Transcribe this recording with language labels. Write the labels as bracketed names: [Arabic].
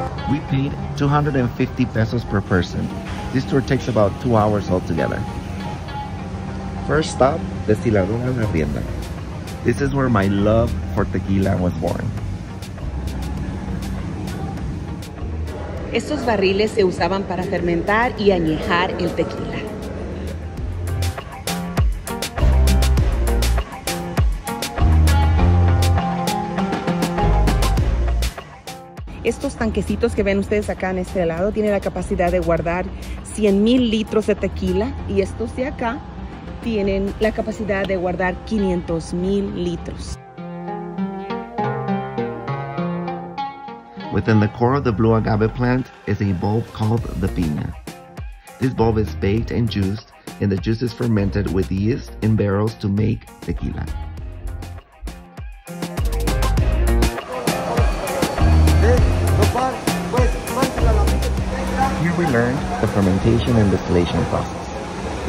[English] We paid 250 pesos per person. This tour takes about 2 hours altogether. First stop, Destiladora La Rienda. This is where my love for tequila was born. [Spanish] Estos barriles se usaban para fermentar y añejar el tequila. Estos tanquecitos que ven ustedes acá en este lado tienen la capacidad de guardar 100,000 litros de tequila y estos de acá tienen la capacidad de guardar 500,000 litros. [English] Within the core of the blue agave plant is a bulb called the piña. This bulb is baked and juiced, and the juice is fermented with yeast in barrels to make tequila. Here we learned the fermentation and distillation process.